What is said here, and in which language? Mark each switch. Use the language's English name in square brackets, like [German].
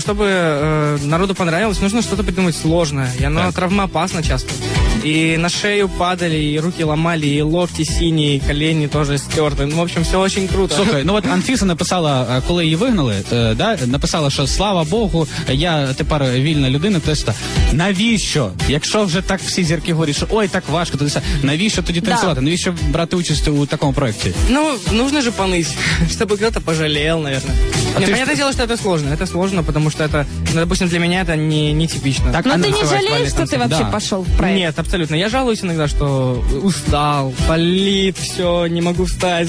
[Russian] Чтобы народу понравилось, нужно что-то придумать сложное. И оно травмоопасно часто. И на шею падали, и руки ломали, и локти синие, и колени тоже стерты. Ну, в общем, все очень круто. Слушай, ну вот Анфиса написала, коли ее выгнали, да, написала, что слава Богу, [Ukrainian] я тепер вільна людина. [Russian] То есть, навіщо? [Ukrainian] Якщо вже так всі зірки говорять, що ой, так важко, то есть, навіщо тоді танцювати? Навіщо брати участь у такому проекті? [Russian] Ну, нужно же поныть, чтобы кто-то пожалел, наверное. Нет, понятное дело, что это сложно. Это сложно, потому что это, ну, допустим, для меня это нетипично. Так, но ты не жалеешь, что ты вообще пошел в проект? Нет, абсолютно. Я жалуюсь иногда, что устал, болит, все, не могу встать.